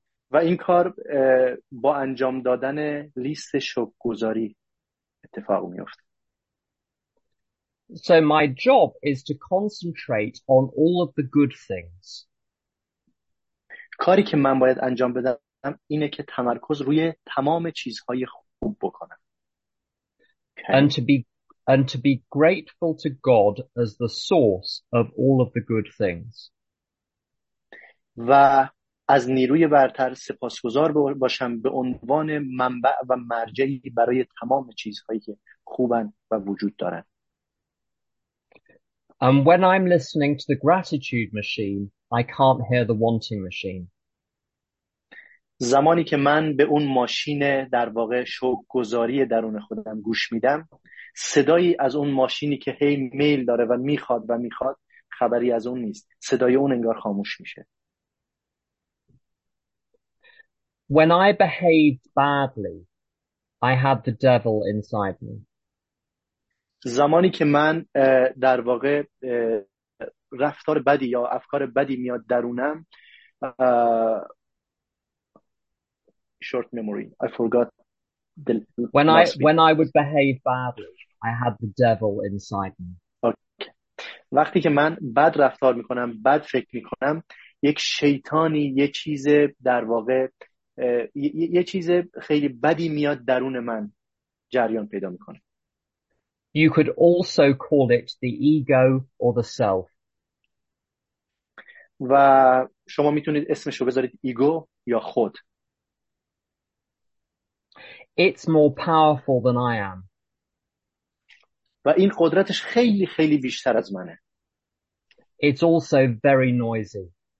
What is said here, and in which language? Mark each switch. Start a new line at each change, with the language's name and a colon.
Persian: و این کار با انجام دادن لیست شکرگزاری اتفاق میافت.
English: So my job is to concentrate on all of the good things.
Persian: کاری که من باید انجام بدم اینه که تمرکز روی تمام چیزهای خوب بکنم.
English: Okay. And to be grateful to God as the source of all of the good things.
Persian: و از نیروی برتر سپاسگزار باشم به عنوان منبع و مرجعی برای تمام چیزهایی که خوبن و وجود دارن.
English: And when I'm listening to the gratitude machine, I can't hear the wanting machine.
Persian: زمانی که من به اون ماشین در واقع شکرگزاری درون خودم گوش میدم، صدایی از اون ماشینی که هی میل داره و میخواد خبری از اون نیست. صدای اون انگار خاموش میشه.
English: When I behaved badly, I had the devil inside me.
Persian: زمانی که من در واقع رفتار بدی یا افکار بدی میاد درونم
English: short memory I forgot the When last I speech. would behave badly, I had the devil inside me. Okay.
Persian: وقتی که من بد رفتار میکنم، بد فکر میکنم، یک شیطانی، یه چیز در واقع یه چیز خیلی بدی میاد درون من جریان پیدا میکنه.
English: You could also call it the ego or the self.
Persian: و شما میتونید اسمش رو بذارید ایگو یا خود.
English: It's more powerful than I am.
Persian: و این قدرتش خیلی خیلی بیشتر از منه.
English: It's also very noisy.